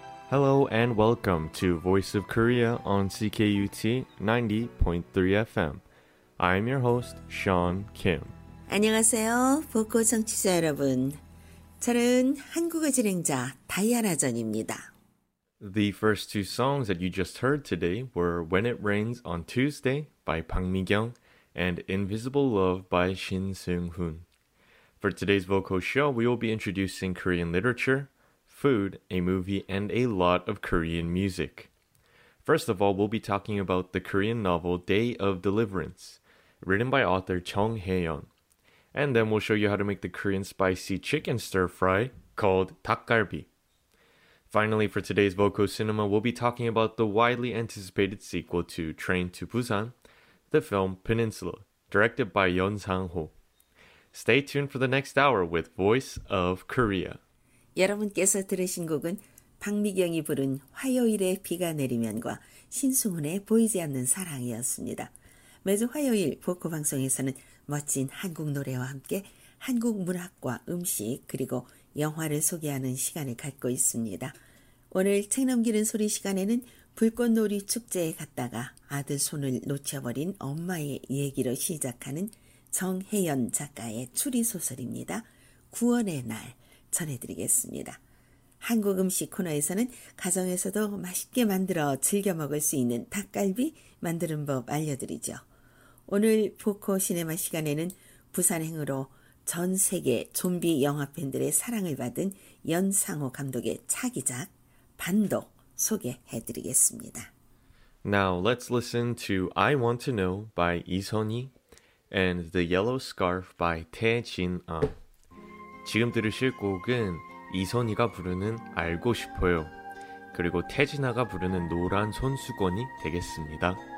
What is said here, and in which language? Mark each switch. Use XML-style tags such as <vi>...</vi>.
<en>Hello and welcome to Voice of Korea on CKUT 90.3 FM. I'm your host, Sean Kim.</en> <ko>안녕하세요, 북코 청취자 여러분. 저는 한국어 진행자 다이아나 전입니다.</ko> <en>The first two songs that you just heard today were When It Rains on Tuesday by Bang Mi-kyung and Invisible Love by Shin Seung-hoon. For today's vocal show, we will be introducing Korean literature, food, a movie, and a lot of Korean music. First of all, we'll be talking about the Korean novel Day of Deliverance, written by author Chung Hae-yeon. And then we'll show you how to make the Korean spicy chicken stir-fry called dakgalbi. Finally, for today's vocal cinema, we'll be talking about the widely anticipated sequel to Train to Busan, the film Peninsula, directed by Yeon Sang-ho. Stay tuned for the next hour with Voice of Korea.</en> <ko>여러분께서 들으신 곡은 박미경이 부른 화요일에 비가 내리면과 신승훈의 보이지 않는 사랑이었습니다. 매주 화요일 보코 방송에서는 멋진 한국 노래와 함께 한국 문학과 음식 그리고 영화를 소개하는 시간을 갖고 있습니다. 오늘 책 넘기는 소리 시간에는 불꽃놀이 축제에 갔다가 아들 손을 놓쳐버린 엄마의 얘기로 시작하는 정혜연 작가의 추리소설입니다. 구원의 날 전해드리겠습니다. 한국 음식 코너에서는 가정에서도 맛있게 만들어 즐겨 먹을 수 있는 닭갈비 만드는 법 알려드리죠. 오늘 포코 시네마 시간에는 부산행으로 전 세계 좀비 영화 팬들의 사랑을 받은 연상호 감독의 차기작 반도 소개해드리겠습니다.</ko> <en>Now let's listen to I Want to Know by 이선희 and The Yellow Scarf by 태진아.</en> <ko>지금 들으실 곡은 이선희가 부르는 알고 싶어요. 그리고 태진아가 부르는 노란 손수건이 되겠습니다.</ko>